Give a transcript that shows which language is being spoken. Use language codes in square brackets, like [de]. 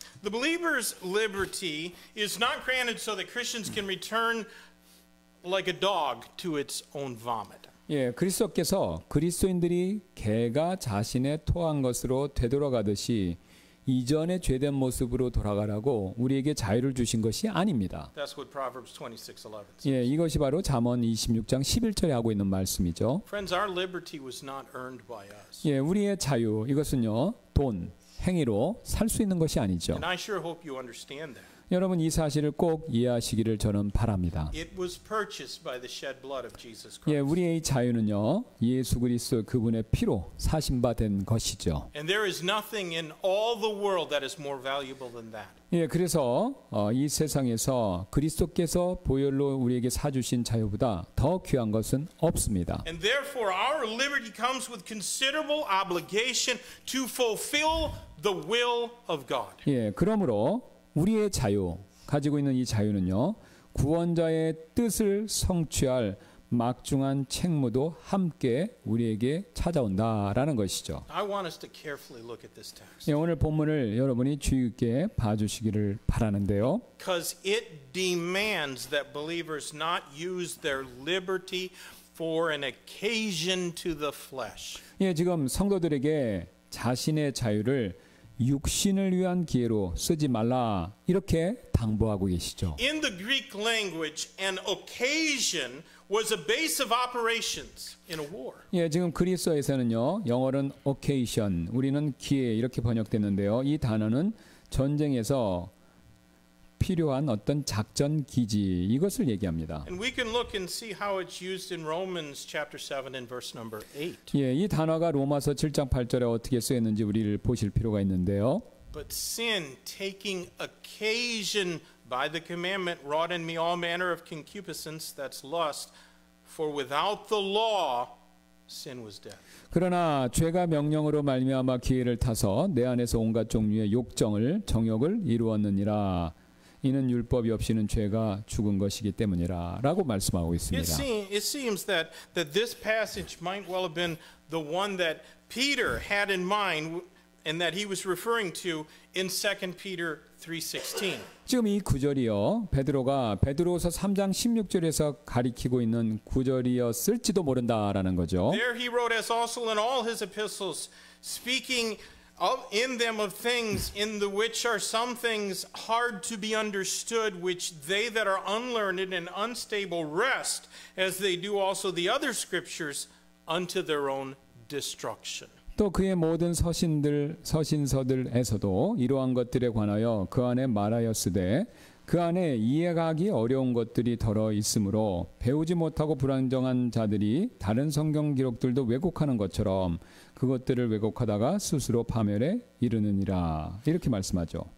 [en] The believer's liberty is not granted so that Christians can return like a dog to its own vomit. [ko] 예, 그리스도께서 그리스도인들이 개가 자신의 토한 것으로 되돌아가듯이 이전의 죄된 모습으로 돌아가라고 우리에게 자유를 주신 것이 아닙니다. [en] That's what Proverbs 26:11 says. [ko] 예, 이것이 바로 잠언 26장 11절에 하고 있는 말씀이죠. [en] Friends, our liberty was not earned by us. [ko] 예, 우리의 자유 이것은요 돈 행위로 살 수 있는 것이 아니죠. [en] And I sure hope you understand that. [ko] 여러분 이 사실을 꼭 이해하시기를 저는 바랍니다. [en] It was purchased by the shed blood of Jesus Christ. [ko] 예, 우리의 자유는요. 예수 그리스도 그분의 피로 사신 바 된 것이죠. [en] And there is nothing in all the world that is more valuable than that. [ko] 예, 그래서 이 세상에서 그리스도께서 보혈로 우리에게 사 주신 자유보다 더 귀한 것은 없습니다. [en] And therefore our liberty comes with considerable obligation to fulfill the will of God. [ko] 예, 그러므로 우리의 자유 가지고 있는 이 자유는요 구원자의 뜻을 성취할 막중한 책무도 함께 우리에게 찾아온다라는 것이죠. [en] I want us to carefully look at this text. [ko] 예, 오늘 본문을 여러분이 주의 깊게 봐주시기를 바라는데요. [en] Because it demands that believers not use their liberty for an occasion to the flesh. [ko] 예, 지금 성도들에게 자신의 자유를 육신을 위한 기회로 쓰지 말라 이렇게 당부하고 계시죠. [en] In the Greek language, an occasion was a base of operations in a war. [ko] 예, 지금 그리스어에서는요, 영어는 occasion, 우리는 기회 이렇게 번역됐는데요. 이 단어는 전쟁에서 필요한 어떤 작전 기지 이것을 얘기합니다. [en] And we can look and see how it's used in Romans chapter 7 and verse number 8. [ko] 예, 이 단어가 로마서 7장 8절에 어떻게 쓰였는지 우리를 보실 필요가 있는데요. [en] But sin taking occasion by the commandment wrought in me all manner of concupiscence, that's lust, for without the law sin was dead. [ko] 그러나 죄가 명령으로 말미암아 기회를 타서 내 안에서 온갖 종류의 욕정을 정욕을 이루었느니라. 이는 율법이 없이는 죄가 죽은 것이기 때문이라라고 말씀하고 있습니다. [en] It seems that this passage might well have been the one that Peter had in mind and that he was referring to in 2 Peter 3:16. [ko] 지금 이 구절이요. 베드로가 베드로서 3장 16절에서 가리키고 있는 구절이었을지도 모른다라는 거죠. [en] There he wrote as also in all his epistles speaking of in them of things in the which are some things hard to be understood which they that are unlearned and unstable rest as they do also the other scriptures unto their own destruction. [ko] 또 그의 모든 서신들 서신서들에서도 이러한 것들에 관하여 그 안에 말하였으되 그 안에 이해하기 어려운 것들이 더러 있으므로 배우지 못하고 불안정한 자들이 다른 성경 기록들도 왜곡하는 것처럼 그것들을 왜곡하다가 스스로 파멸에 이르느니라 이렇게 말씀하죠.